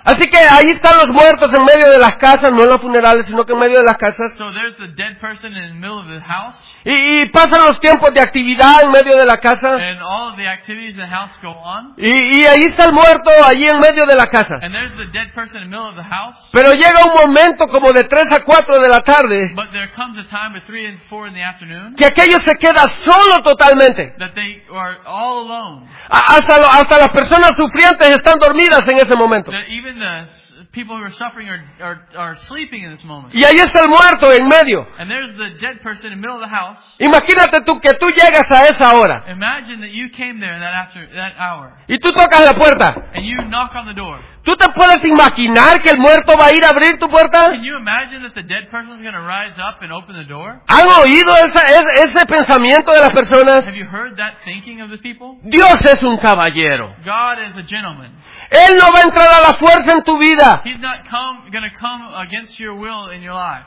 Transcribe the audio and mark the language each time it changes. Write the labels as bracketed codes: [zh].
[es] Así que ahí están los muertos en medio de las casas, no en los funerales, sino que en medio de las casas. [en] So there's the dead person in the middle of the house. [es] Y pasan los tiempos de actividad en medio de la casa. [en] And all of the activities in the house go on. [es] Y ahí está el muerto, allí en medio de la casa. [en] And there's the dead person in the middle of the house. [es] Pero llega un momento como de 3 a 4 de la tarde. [en] But there comes a time of 3 and 4 in the afternoon. [es] Que aquello se queda solo totalmente. [en] That they are all alone. [es] Hasta las personas sufrientes están dormidas en ese momento. [en] People who are suffering are sleeping in this moment. [es] Y ahí está el muerto en medio. [en] And there's the dead person in the middle of the house. [es] Imagínate tú que tú llegas a esa hora. [en] Imagine that you came there that hour. [es] Y tú tocas la puerta. [en] And you knock on the door. [es] ¿Tú te puedes imaginar que el muerto va a ir a abrir tu puerta? [en] Can you imagine that the dead person is going to rise up and open the door? [es] ¿Han oído ese pensamiento de las personas? [en] Have you heard that thinking of the people? [es] Dios es un caballero. [en] God is a gentleman. [es] Él no va a entrar a la fuerza en tu vida. [en] He's not gonna come against your will in your life.